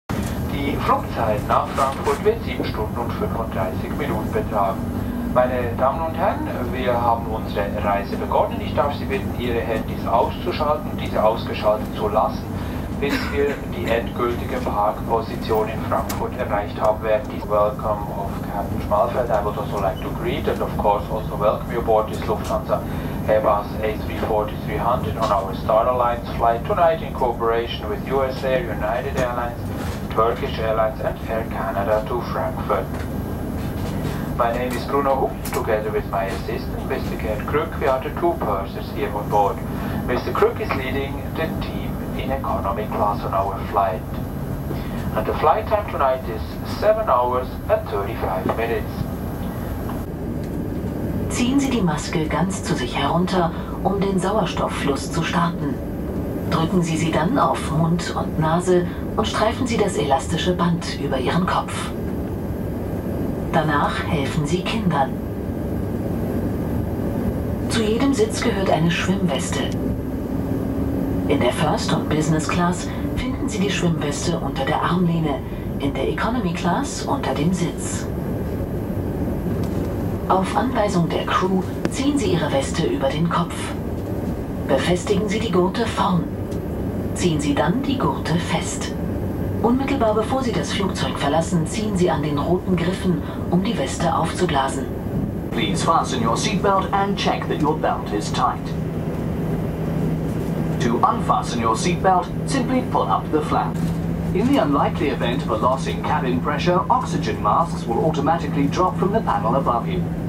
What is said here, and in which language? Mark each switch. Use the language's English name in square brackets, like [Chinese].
[German] die Flugzeit nach Frankfurt wird 7 Stunden und 35 Minuten betragen. Meine Damen und Herren, wir haben unsere Reise begonnen. Ich darf Sie bitten, Ihre Handys auszuschalten und diese ausgeschaltet zu lassen, bis wir die endgültige Parkposition in Frankfurt erreicht haben werden. [English] Die Welcome of Captain Schmalfeld. I would also like to greet and of course also welcome you aboard this Lufthansa Airbus A340-300 on our Star Alliance flight tonight in cooperation with USA, United Airlines, Turkish Airlines and Air Canada to Frankfurt. My name is Bruno Hupp. Together with my assistant, Mr. Gerd Krück, we are the two purses here on board. Mr. Krück is leading the team in economy class on our flight. And the flight time tonight is 7 hours and 35 minutes. [German] Ziehen Sie die Maske ganz zu sich herunter, um den Sauerstofffluss zu starten. Drücken Sie sie dann auf Mund und Nase und streifen Sie das elastische Band über Ihren Kopf. Danach helfen Sie Kindern. Zu jedem Sitz gehört eine Schwimmweste. In der First und Business Class finden Sie die Schwimmweste unter der Armlehne, in der Economy Class unter dem Sitz. Auf Anweisung der Crew ziehen Sie Ihre Weste über den Kopf. Befestigen Sie die Gurte vorn. Ziehen Sie dann die Gurte fest. Unmittelbar bevor Sie das Flugzeug verlassen, ziehen Sie an den roten Griffen, um die Weste aufzublasen. [English] Please fasten your seatbelt and check that your belt is tight. To unfasten your seatbelt, simply pull up the flap. In the unlikely event of a loss in cabin pressure, oxygen masks will automatically drop from the panel above you.